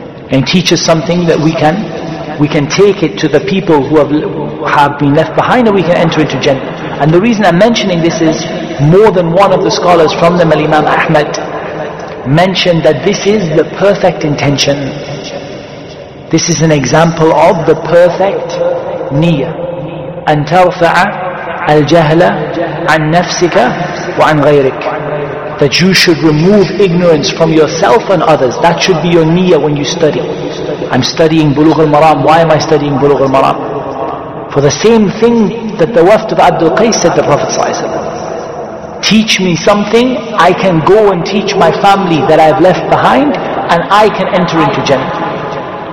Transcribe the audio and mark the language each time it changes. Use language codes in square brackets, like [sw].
[en] And teach us something that we can take it to the people who have been left behind, and we can enter into Jannah. And the reason I'm mentioning this is, more than one of the scholars from them, Al-Imam Ahmad, mentioned that this is the perfect intention. This is an example of the perfect niyyah. [ar] أن ترفع الجهل عن نفسك وعن غيرك. [en] That you should remove ignorance from yourself and others. That should be your niyyah when you study. I'm studying Buloogh al Maram. Why am I studying Buloogh al Maram? For the same thing that the Wafd of Abdul Qais said, the Prophet ﷺ, teach me something, I can go and teach my family that I've left behind, and I can enter into Jannah.